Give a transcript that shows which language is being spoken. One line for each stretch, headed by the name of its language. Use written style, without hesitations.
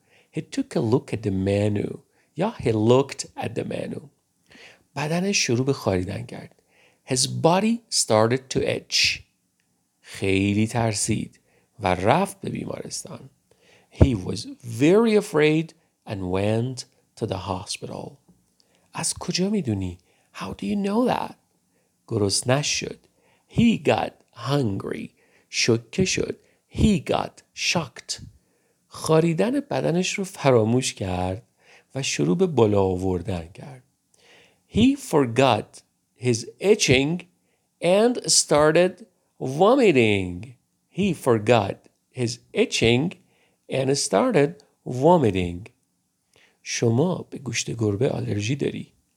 English: He took a look at the menu. He looked at the menu.
Persian: بدنش شروع به خاریدن کرد.
English: His body started to itch.
Persian: خیلی ترسید و رفت به بیمارستان.
English: He was very afraid and went to the hospital.
Persian: از کجا میدونی؟
English: How do you know that?
Persian: گرسنه شد.
English: He got hungry.
Persian: شوکه شد.
English: He got shocked.
Persian: خاریدن بدنش رو فراموش کرد و شروع به بالا آوردن کرد.
English: He forgot his itching and started vomiting. He forgot his itching and started vomiting.
Persian: شما به گوشت گربه آلرژی داری.